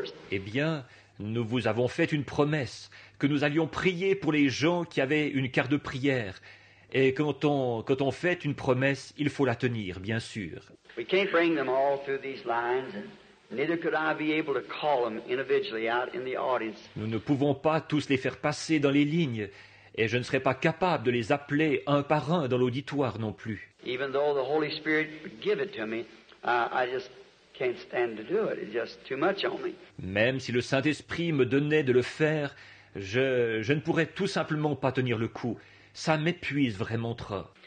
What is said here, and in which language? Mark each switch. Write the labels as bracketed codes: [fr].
[fr] Eh bien, nous vous avons fait une promesse que nous allions prier pour les gens qui avaient une carte de prière. Et quand on fait une promesse, il faut la tenir, bien sûr. [en] We can't bring them all through these lines, and neither could I be able to call them individually out in the audience. [fr] Nous ne pouvons pas tous les faire passer dans les lignes, et je ne serais pas capable de les appeler un par un dans l'auditoire non plus. [en] Even though the Holy Spirit would give it to me, I just can't stand to do it. It's just too much on me. [fr] Même si le Saint-Esprit me donnait de le faire, je ne pourrais tout simplement pas tenir le coup. Ça m'épuise vraiment trop.